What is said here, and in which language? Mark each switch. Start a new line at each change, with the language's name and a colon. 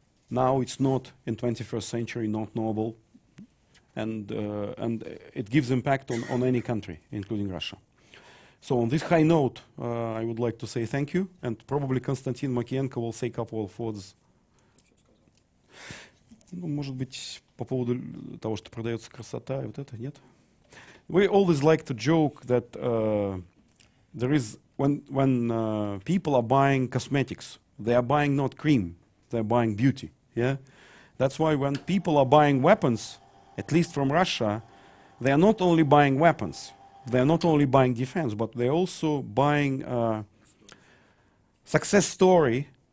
English: Now it's not in 21st century, not noble. And it gives impact on any country, including Russia. So on this high note, I would like to say thank you, and probably Konstantin Makienko will say a couple of words.
Russian: Ну, может быть, по поводу того, что продается красота, и вот это, нет?
English: We always like to joke that there is when people are buying cosmetics, they are buying not cream, they are buying beauty. Yeah, that's why when people are buying weapons, at least from Russia, they are not only buying weapons, they are not only buying defense, but they are also buying success story.